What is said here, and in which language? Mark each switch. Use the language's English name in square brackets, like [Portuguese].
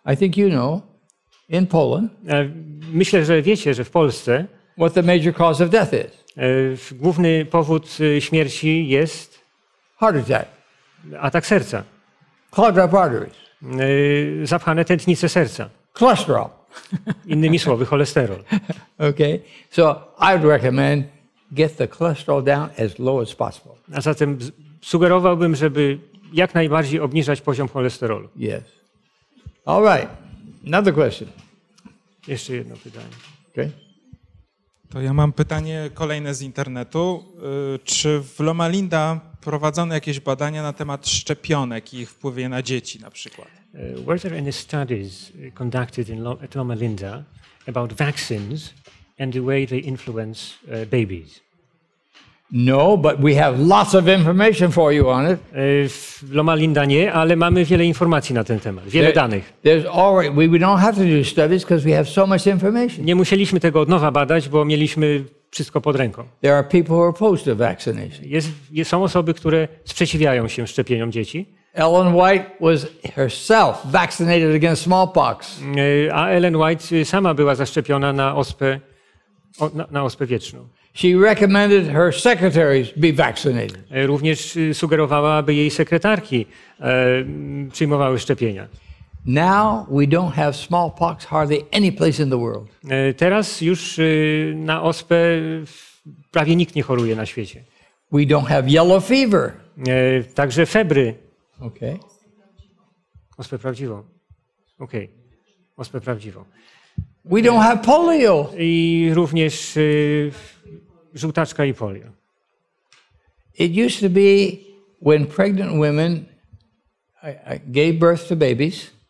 [English] I think you know in Poland. [Polish] Myślę, że wiecie, że w Polsce [English] what the major cause of death is. [Polish] Główny powód śmierci jest [English] heart attack. [Polish] Atak serca. [English] Clogged up arteries. [Polish] Zapchane tętnice serca. [English] Cholesterol. [Polish] Innymi słowy, cholesterol. [English] Okay. So I would recommend get the cholesterol down as low as possible. [Polish] A zatem sugerowałbym, żeby jak najbardziej obniżać poziom cholesterolu. [English] Yes. All right. Another question. [Polish] Jeszcze jedno pytanie. [English] Okay. [Polish] To ja mam pytanie kolejne z internetu. Czy w Loma Linda prowadzono jakieś badania na temat szczepionek i ich wpływie na dzieci na przykład? [English] Were there any studies conducted at Loma Linda about vaccines and the way they influence babies? No, but we have lots of information for you on it. [Polish] W Loma Linda nie, ale mamy wiele informacji na ten temat, wiele danych. [English] There's already, we don't have to do studies because we have so much information. [Polish] Nie musieliśmy tego od nowa badać, bo mieliśmy wszystko pod ręką. [English] There are people who are opposed to vaccination. [Polish] Są osoby, które sprzeciwiają się szczepieniom dzieci. [English] Ellen White was herself vaccinated against smallpox. [Polish] A Ellen White sama była zaszczepiona na ospę wieczną. [English] She recommended her secretaries be vaccinated. [Polish] Również sugerowała, aby jej sekretarki przyjmowały szczepienia. [English] Now we don't have smallpox hardly any place in the world. [Polish] Teraz już na ospę prawie nikt nie choruje na świecie. [English] We don't have yellow fever. [Polish] Także febry. [English] Okay. [Polish] Ospę prawdziwą. Okej. Okay. Ospę prawdziwą. [English] We don't have polio. [Polish] I również żółtaczka i polio. [English] It used to be when pregnant women gave birth to babies.